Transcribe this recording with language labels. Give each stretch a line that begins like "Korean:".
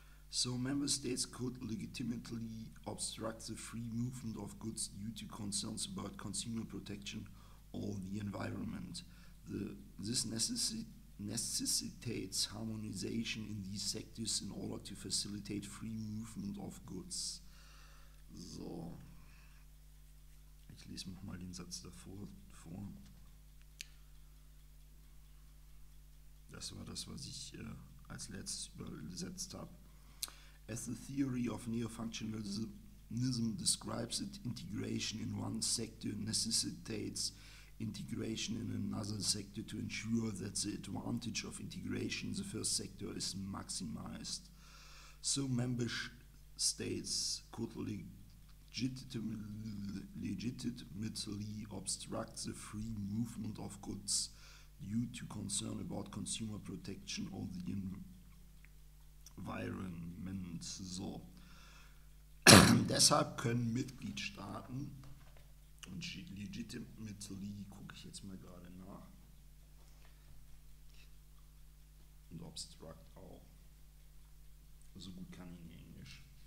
English: So, member states could legitimately obstruct the free movement of goods due to concerns about consumer protection or the environment. This necessitates harmonization in these sectors in order to facilitate free movement of goods.
German: So, ich lese noch mal den Satz davor vor. Das war das, was ich als letztes übersetzt habe.
English: As the theory of neo-functionalism describes it, integration in one sector necessitates integration in another sector to ensure that the advantage of integration in the first sector is maximized. So member states could legitimately obstruct the free movement of goods due to concern about consumer protection or the Environment. So.
German: Deshalb können Mitgliedstaaten und legitimately gucke ich jetzt mal gerade nach und obstruct auch. So gut kann ich in Englisch.